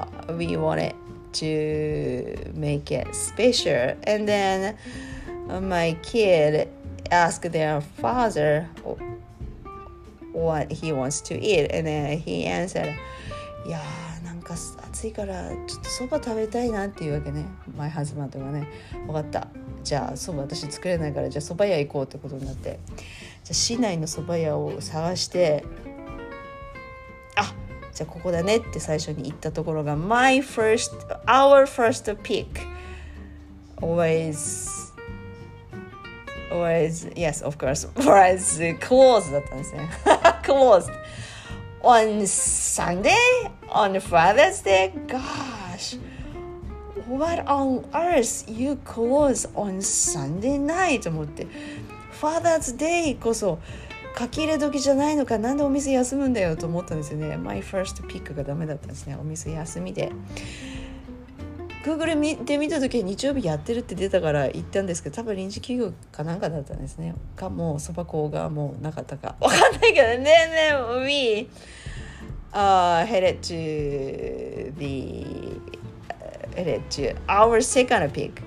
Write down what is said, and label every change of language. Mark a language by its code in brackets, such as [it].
[en] We wanted to make it special. And then my kid asked their father what he wants to eat. And then he answered, yeah. [ja] 暑いからちょっとそば食べたいなっていうわけね。マイハズマンとかね、分かった、じゃあそば私作れないから、じゃあそば屋行こうってことになって、じゃあ市内のそば屋を探して、あ、じゃあここだねって最初に行ったところが [en] My first, our first pick was yes of course was closed [ja] だったんですね。 [en] Closed on SundayOn Father's Day? Gosh, what on earth you close on Sunday night? [ja] と思って、 Father's Day こそ書き入れ時じゃないのか、なんでお店休むんだよと思ったんですよね。 [en] My first pick [ja] がダメだったんですね。お店休みで Google で見た時、日曜日やってるって出たから行ったんですけど、多分臨時休業かなんかだったんですね。かもそば粉がもうなかったか、わかんないけどね。 [en] ねえ、We headed to the headed to our second pick.